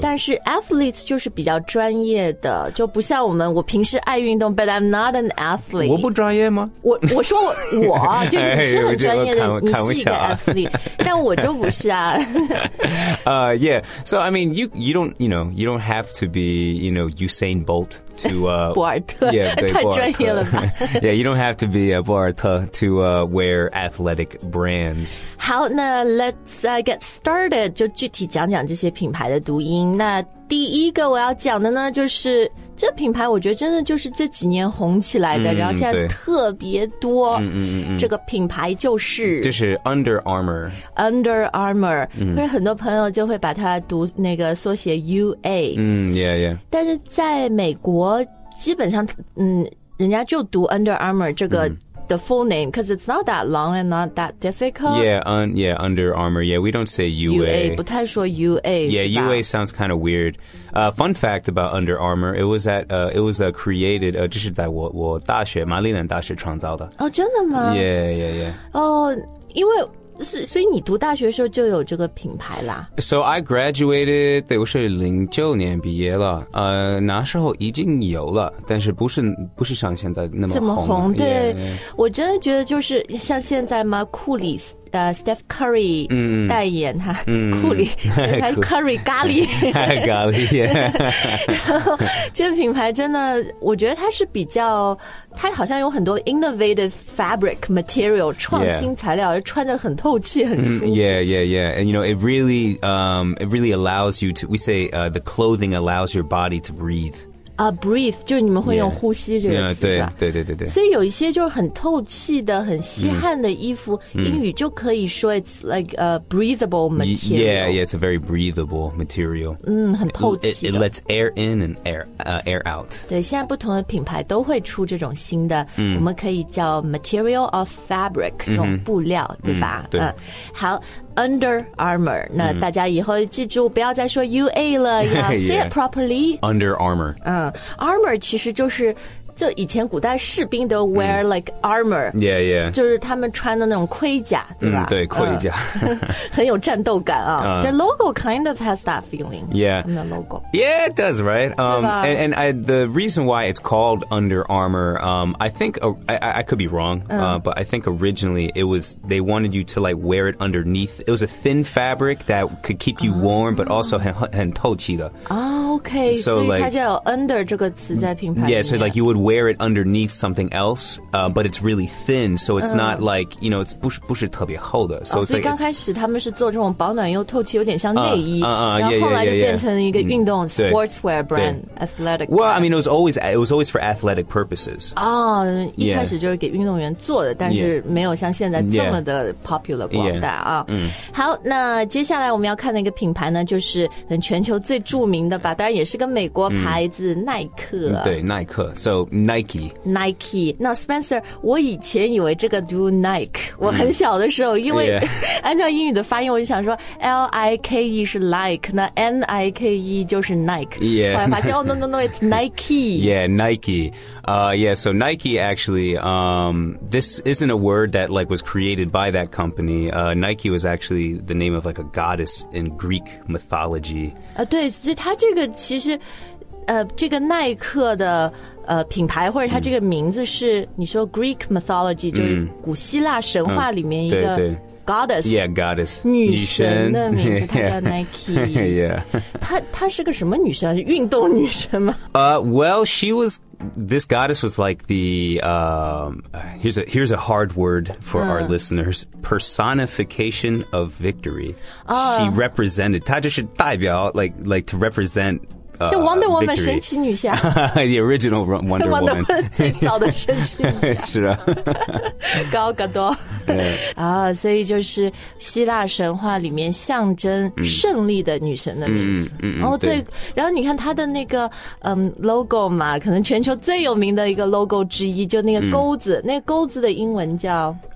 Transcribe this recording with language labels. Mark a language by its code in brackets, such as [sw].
[zh] 但是 athlete 就是比较专业的就不像我们我平时爱运动 [en] but I'm not an athlete. [zh] 我不专业吗我说我就你是很专业的你是一个但我就不是啊。 [en] Yeah, so I mean, you don't have to be, you know, Usain Bolt to, [zh] 博尔特, [en] yeah, [zh] 太专业了吧。 [en] Yeah, you don't have to be a 博尔特 to, wear athletic brands. [zh] 好,那 [en] let's, get started, [zh] 就具体讲讲这些品牌的读音。那第一个我要讲的呢就是这品牌我觉得真的就是这几年红起来的、然后现在特别多、这个品牌就是 [en] Under Armour [zh] Under Armour、因为很多朋友就会把它读那个缩写 UA、但是在美国基本上、人家就读 Under Armour 这个、 [en] the full name because it's not that long and not that difficult Under Armour we don't say UA [zh] 不太说 UA [en] UA sounds kind of weirdfun fact about Under Armour, it was created, [zh] 这是在我大学玛丽兰大学创造的。哦、oh, 真的吗 [en] ?Yeah. [zh] 哦、oh, 因为所以你读大学的时候就有这个品牌啦。 [en] So I graduated, [zh] 对我是09年毕业了那时候已经有了但是不是像现在那么红。怎么红对。我真的觉得就是像现在吗库里斯。Steph Curry 代言他库里他Curry 咖喱咖喱然后这品牌真的我觉得它是比较它好像有很多 [en] innovative fabric material [zh] 创新材料、穿着很透气很舒服、 [en] and you know it really allows you to we say the clothing allows your body to breathe [zh] breathe 就你们会用呼吸这个词 yeah, 对吧对所以有一些就很透气的很吸汗的衣服、英语就可以说 [en] it's like a breathable material yeah, it's a very breathable material [zh] 很透气的 [en] it lets air in and air out [zh] 对现在不同的品牌都会出这种新的、我们可以叫 [en] material of fabric [zh] 这种布料、对吧对、好Under Armour 那大家以后记住不要再说 UA 了 要 [en] say it properly Under Armour [zh] Armour 其实就是就以前古代士兵都 [en] wear like armor. Yeah, yeah. [zh] 就是他们穿的那种盔甲，对吧？嗯，对，盔甲，很有战斗感啊。 [en] The logo kind of has that feeling. Yeah, the logo. Yeah, it does, right? And I, the reason why it's called Under Armour, I think I could be wrong, but I think originally it was they wanted you to like wear it underneath. It was a thin fabric that could keep you warm, but also [zh] 很透气的。 [en] Okay, so, like, [zh] 它就有 under 这个词在品牌里面。 [en] Yeah, so like you would wear it underneath something else, but it's really thin, so it's not like, you know, it's [zh] 不是特别厚的。所以刚开始他们是做这种保暖又透气，有点像内衣，然后后来就变成一个运动 [en] sportswear brand, athletic. Well, I mean, it was always for athletic purposes. [zh] 哦，一开始就是给运动员做的，但是没有像现在这么的 popular 广大啊。好，那接下来我们要看的一个品牌呢，就是全球最著名的吧，当然也是个美国牌子，耐克。对，耐克。 [en] So Nike. Nike. [zh] Now, Spencer, 我以前以为这个读 Nike. 我很小的时候，因为按照英语的发音，我就想说 L-I-K-E 是 like, 那 N-I-K-E 就是 Nike. [en] Yeah. [zh] 后来发现，哦, [en] no, it's Nike. Yeah, Nike. Yeah, so Nike actually, this isn't a word that like was created by that company. Nike was actually the name of like a goddess in Greek mythology. [zh] 对，所以它这个其实，这个耐克的品牌或者它这个名字是你说 Greek mythology 就是古希腊神话里面一个 goddess [en] yeah goddess [zh] 女神的名字她叫 Nike [en] yeah [zh] 她是个什么女神运动女神吗 [en] well she was this goddess was like the here's a hard word for our listeners personification of victory she represented [zh] 她就是代表 [en] like to represent [zh] 就 Wonder Woman 神奇女侠 [en] The original Wonder Woman [zh] 最早的神奇女侠是啊高嘎多所以就是希腊神话里面象征胜利的女神的名字对然后你看她的那个logo 嘛可能全球最有名的一个 logo 之一就那个钩子那个钩子的英文叫